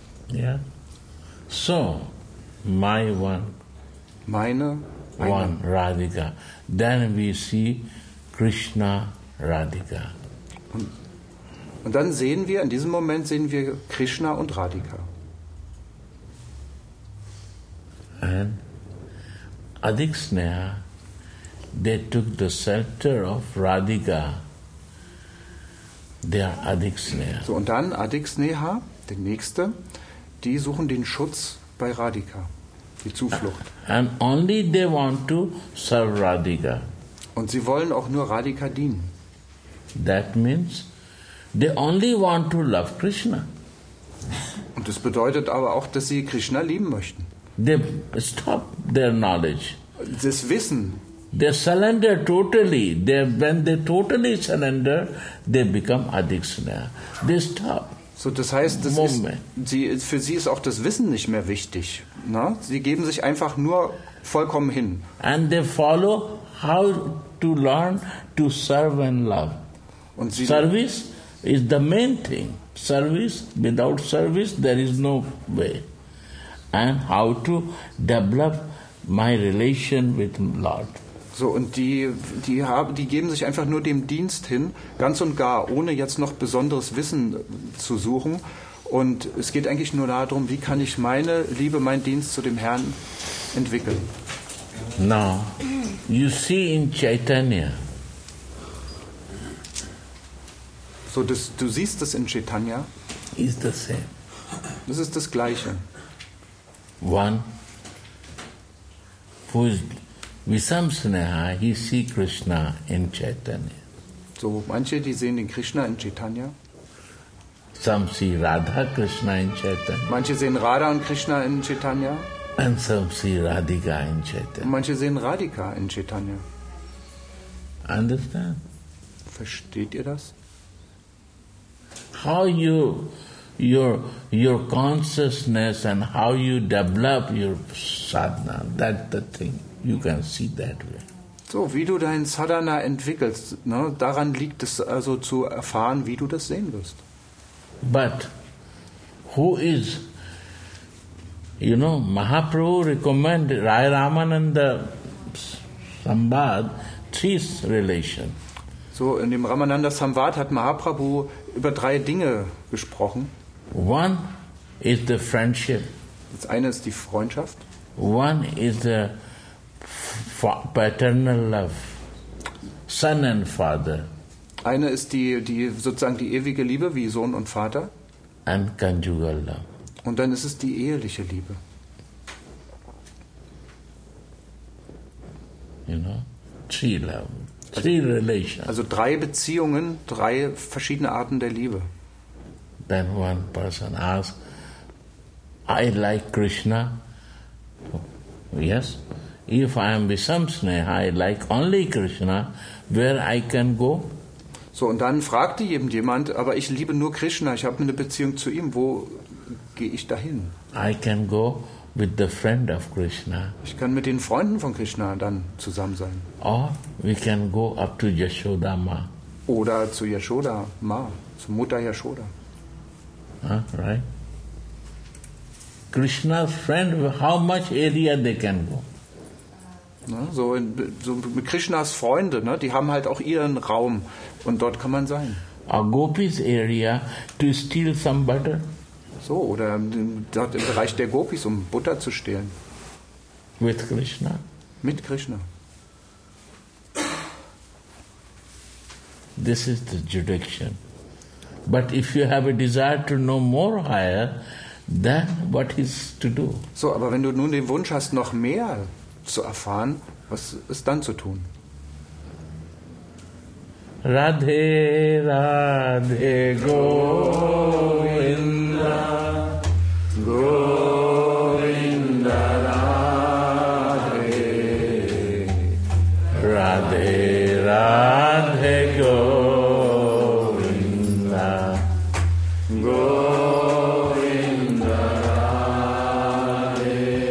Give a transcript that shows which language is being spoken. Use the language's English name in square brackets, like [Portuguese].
[English] Ja. So, my one. [German] Meine. [English] One Radhika. Then we see Krishna Radhika. [German] Und dann sehen wir, in diesem Moment sehen wir Krishna und Radhika. [English] And Adiksneha, they took the scepter of Radhika. They are Adiksneha. [German] So, und dann Adiksneha, der nächste, die suchen den Schutz bei Radhika. Die Zuflucht. [English] And only they want to serve Radhika. [German] Und sie wollen auch nur Radhika dienen. [English] That means they only want to love Krishna. [German] Und das bedeutet aber auch, dass sie Krishna lieben möchten. [English] They stop their knowledge. [German] Das Wissen. [English] They surrender totally. They, when they totally surrender, they become Adiksneha. They stop. [German] So, das heißt, das ist, für sie ist auch das Wissen nicht mehr wichtig. Na? Sie geben sich einfach nur vollkommen hin. [English] And they follow how to learn to serve and love. [German] Und sie, [English] service is the main thing. Service, without service, there is no way. And how to develop my relation with Lord. [German] So, und die geben sich einfach nur dem Dienst hin, ganz und gar, ohne jetzt noch besonderes Wissen zu suchen. Und es geht eigentlich nur darum, wie kann ich meine Liebe, meinen Dienst zu dem Herrn entwickeln. [English] Now, you see in Chaitanya. [German] So, das, du siehst das in Chaitanya. [English] Is the same. [German] Das ist das Gleiche. [English] One, who is Visamsneha, he see Krishna in Chaitanya. [German] So, manche, die sehen den Krishna in Chaitanya. [English] Some see Radha Krishna in Chaitanya. [German] Manche sehen Radha und Krishna in Chaitanya. [English] And some see Radhika in Chaitanya. [German] Manche sehen Radhika in Chaitanya. [English] Understand? [German] Versteht ihr das? [English] How you your consciousness and how you develop your sadhana, that's the thing. You can see that way. [German] So, wie du dein Sadhana entwickelst, ne, daran liegt es also zu erfahren, wie du das sehen wirst. [English] But who is, you know, Mahaprabhu recommended Rai Ramananda Sambhad three relations. [German] So, in dem Ramananda Sambhad hat Mahaprabhu über drei Dinge gesprochen. [English] One is the friendship. [German] Das eine ist die Freundschaft. [English] One is the paternal love, son and father. [German] Eine ist die sozusagen die ewige Liebe wie Sohn und Vater. [English] And conjugal love. [German] Und dann ist es die eheliche Liebe. [English] You know, three love, three relations. [German] Also drei Beziehungen, drei verschiedene Arten der Liebe. [English] Then one person asks, I like Krishna. Yes. If I am Visamsneha, I like only Krishna, where I can go? [German] So, und dann fragte eben jemand, aber ich liebe nur Krishna, ich habe eine Beziehung zu ihm, wo gehe ich dahin? [English] I can go with the friend of Krishna. [German] Ich kann mit den Freunden von Krishna dann zusammen sein. [English] Or we can go up to Yashoda Ma. [German] Oder zu Yashoda Ma, zu Mutter Yashoda. [English] Right. Krishna's friend, how much area they can go? [German] Ne, so mit Krishnas Freunde, ne, die haben halt auch ihren Raum und dort kann man sein. [English] A gopis area to steal some butter. [German] So, oder dort im Bereich der Gopis, um Butter zu stehlen. [English] With Krishna? [German] Mit Krishna. [English] This is the jurisdiction. But if you have a desire to know more higher, then what is to do? [German] So, aber wenn du nun den Wunsch hast, noch mehr zu erfahren, was ist dann zu tun? [Sanskrit] Radhe, Radhe, Govinda, Govinda, Radhe, Radhe, Radhe, Govinda, Govinda, Radhe.